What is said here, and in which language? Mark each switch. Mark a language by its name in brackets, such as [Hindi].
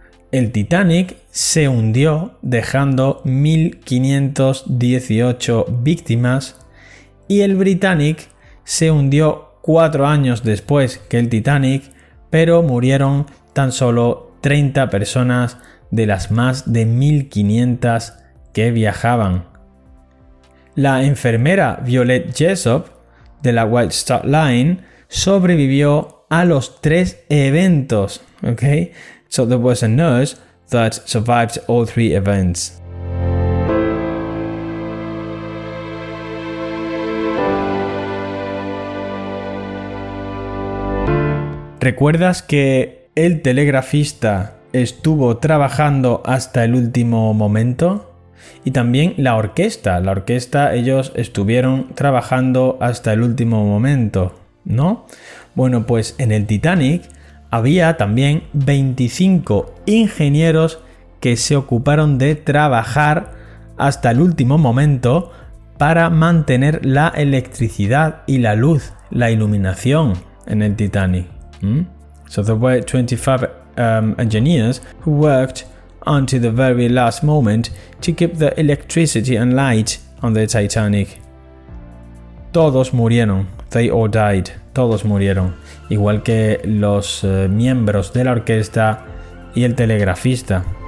[Spanish] El Titanic se hundió dejando 1.518 víctimas y el Britannic se hundió 4 años después que el Titanic, pero murieron tan solo 30 personas de las más de 1.500 que viajaban. La enfermera Violet Jessop de la White Star Line sobrevivió a los tres eventos, ¿ok? [English] So there was a nurse that survived all three events. [Spanish] ¿Recuerdas que el telegrafista estuvo trabajando hasta el último momento? Y también la orquesta, ellos estuvieron trabajando hasta el último momento, ¿no? Bueno, pues en el Titanic había también 25 ingenieros que se ocuparon de trabajar hasta el último momento para mantener la electricidad y la luz, la iluminación en el Titanic. [English] So there were 25 engineers who worked until the very last moment to keep the electricity and light on the Titanic. [Spanish] Todos murieron. [English] They all died. [Spanish] Todos murieron. Igual que los miembros de la orquesta y el telegrafista.